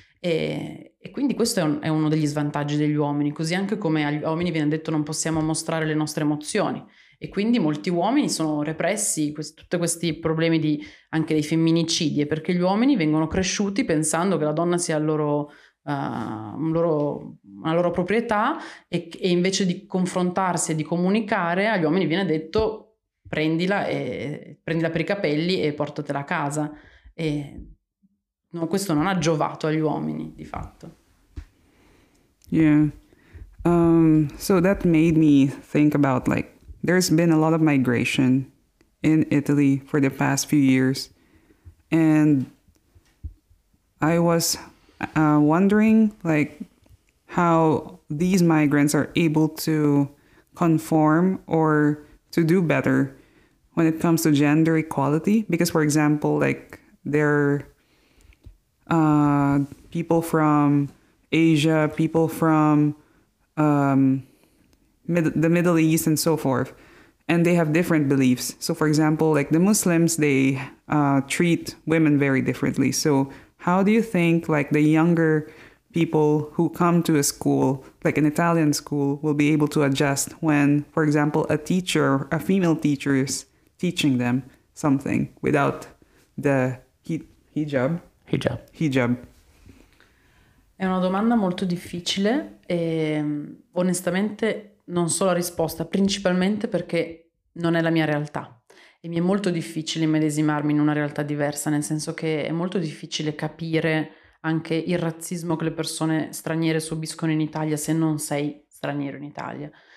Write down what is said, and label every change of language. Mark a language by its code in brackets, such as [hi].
[it] E quindi questo è uno degli svantaggi degli uomini, così anche come agli uomini viene detto non possiamo mostrare le nostre emozioni, e quindi molti uomini sono repressi, tutti questi problemi di anche dei femminicidi, perché gli uomini vengono cresciuti pensando che la donna sia una loro proprietà, e invece di confrontarsi e di comunicare agli uomini viene detto prendila per i capelli e portatela a casa. E no, questo non ha giovato agli uomini di fatto. [en] Yeah. So that made me think about, like, there's been a lot of migration in Italy for the past few years, and I was wondering, like, how these migrants are able to conform or to do better when it comes to gender equality? Because, for example, like, there are people from Asia, people from the Middle East and so forth, and they have different beliefs. So, for example, like, the Muslims, they treat women very differently. So how do you think, like, the younger people who come to a school, like an Italian school, will be able to adjust when, for example, a teacher, a female teacher, is teaching them something without the hijab? Hijab. [it] È una domanda molto difficile e onestamente non so la risposta, principalmente perché non è la mia realtà. E mi è molto difficile immedesimarmi in una realtà diversa, nel senso che è molto difficile capire anche il razzismo che le persone straniere subiscono in Italia se non sei straniero in Italia.